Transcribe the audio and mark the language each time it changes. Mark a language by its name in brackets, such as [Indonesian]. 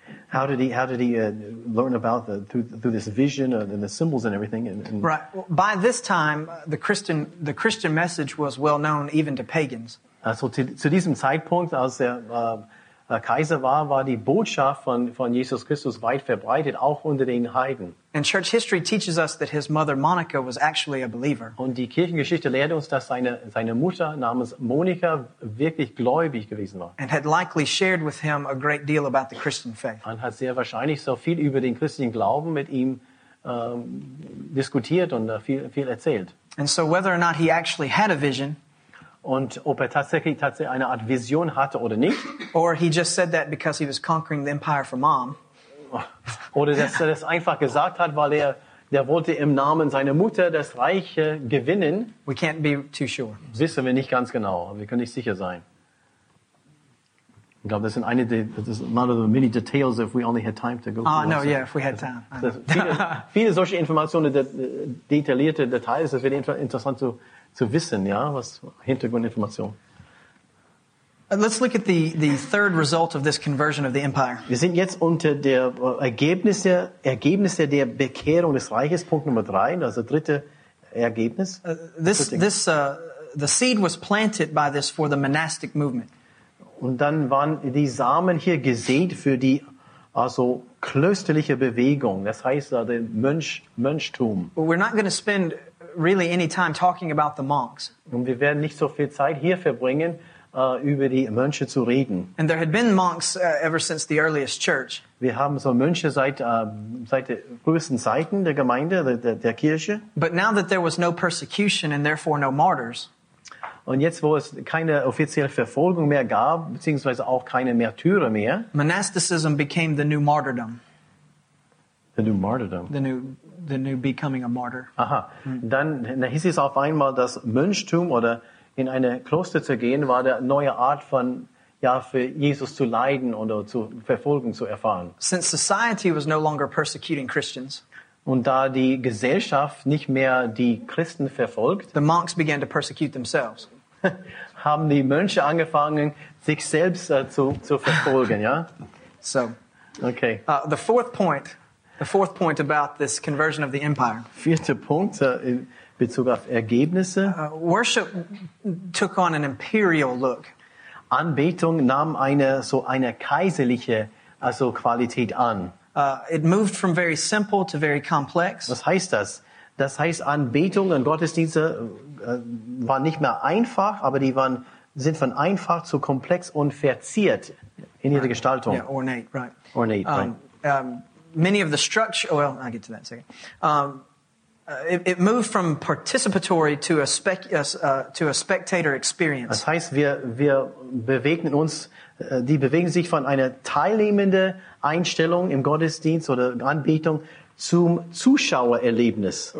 [English] How did he learn about the through this vision and the symbols and everything? And right. Well, by this time, the Christian message was well known even to pagans. [German] Zu diesem Zeitpunkt, als er Kaiser war, war die Botschaft von Jesus Christus weit verbreitet, auch unter den Heiden. [English] And church history teaches us that his mother Monica was actually a believer. [German] Und die Kirchengeschichte lehrt uns, dass seine Mutter namens Monika wirklich gläubig gewesen war. [English] And had likely shared with him a great deal about the Christian faith. [German] Und hat sehr wahrscheinlich so viel über den christlichen Glauben mit ihm diskutiert und viel erzählt. [English] And so whether or not he actually had a vision, [German] und ob er tatsächlich eine Art Vision hatte oder nicht, [English] or he just said that because he was conquering the empire for mom, [German] oder dass er das einfach gesagt hat, weil er wollte im Namen seiner Mutter das Reich gewinnen. [English] We can't be too sure. [German] Wissen wir nicht ganz genau, aber wir können nicht sicher sein. Ich glaube, das sind eine der, das ist [English] one of the many details, if we only had time to go through. If we had time. [German] Viele solche Informationen, detaillierte Details, das wird interessant zu wissen, ja, was Hintergrundinformation. [English] Let's look at the third result of this conversion of the empire. [German] Wir sind jetzt unter der Ergebnisse der Bekehrung des Reiches, Punkt Nummer 3, also dritte Ergebnis. [English] The seed was planted by this for the monastic movement. [German] Und dann waren die Samen hier gesät für die also klösterliche Bewegung, das heißt der Mönchtum. [English] We're not going to spend really any time talking about the monks. [German] Und wir werden nicht so viel Zeit hier verbringen, über die Mönche zu reden. [English] And there had been monks ever since the earliest church. [German] Wir haben so Mönche seit den frühesten Zeiten der Gemeinde, der Kirche. [English] But now that there was no persecution and therefore no martyrs. [German] Und jetzt, wo es keine offizielle Verfolgung mehr gab, beziehungsweise auch keine Märtyrer mehr. [English] Monasticism became the new martyrdom. The new martyrdom. The new becoming a martyr. [German] Aha. Dann hieß es auf einmal, dass Mönchtum oder in eine Kloster zu gehen, war der neue Art von, ja, für Jesus zu leiden oder zu Verfolgung zu erfahren. [English] Since society was no longer persecuting Christians, [German] und da die Gesellschaft nicht mehr die Christen verfolgt, [English] the monks began to persecute themselves. [German] Haben die Mönche angefangen, sich selbst zu verfolgen, ja? [English] So. Okay. The fourth point about this conversion of the empire. [German] Vierter Punkt in Bezug auf Ergebnisse. [English] Worship took on an imperial look. [German] Anbetung nahm eine kaiserliche, also Qualität an. [English] It moved from very simple to very complex. [German] Was heißt das? Das heißt, Anbetung und Gottesdienste waren nicht mehr einfach, aber die sind von einfach zu komplex und verziert in ihrer Gestaltung. [English] Yeah, ornate, right. Ornate, right. Many of the structure, well, I'll get to that in a second. It moved from participatory to a spectator experience. [German] Das heißt, wir bewegen uns, die bewegen sich von einer teilnehmenden Einstellung im Gottesdienst oder Anbetung zum Zuschauererlebnis.